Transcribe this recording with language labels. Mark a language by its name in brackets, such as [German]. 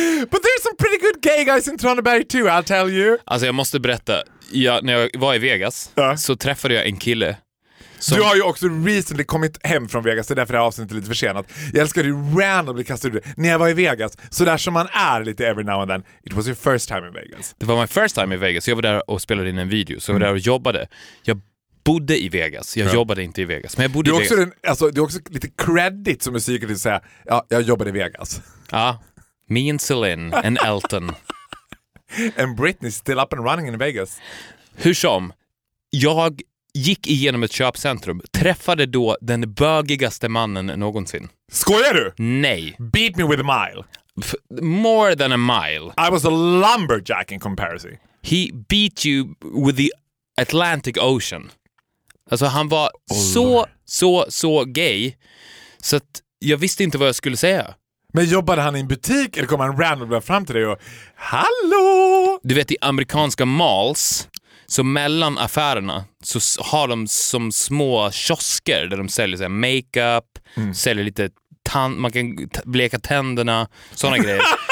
[English] But there's some pretty good gay guys in Tranberg too, I'll tell you. [Swedish] Alltså jag måste berätta. Ja, när jag var i Vegas så träffade jag en kille. Du har ju också recently kommit hem från Vegas, det är därför det här avsnittet är lite försenat. Jag älskar dig randomly kastade ut. När jag var i Vegas, så där som man är lite [English] every now and then. It was your first time in Vegas. [Swedish] Det var [English] my first time [Swedish] i Vegas. Jag var där och spelade in en video. Så jag var där och jobbade. Jag bodde i Vegas. Jag jobbade inte i Vegas. Men jag bodde i Vegas. Det är också, alltså, också lite credit som musiker att säga. Ja, jag jobbade i Vegas. [English] Ja, me and Celine and Elton. And Britney's still up and running in Vegas. [Swedish] Hur som, jag gick igenom ett köpcentrum, träffade då den bögigaste mannen någonsin. Skojar du? Nej. [English] Beat me with a mile. More than a mile. I was a lumberjack in comparison. He beat you with the Atlantic Ocean. [Swedish] Alltså han var så gay, så att jag visste inte vad jag skulle säga. Men jobbade han i en butik eller kom han random fram till dig och hallå? Du vet, i amerikanska malls, så mellan affärerna så har de som små kiosker där de säljer så här makeup, säljer lite man kan bleka tänderna, såna grejer.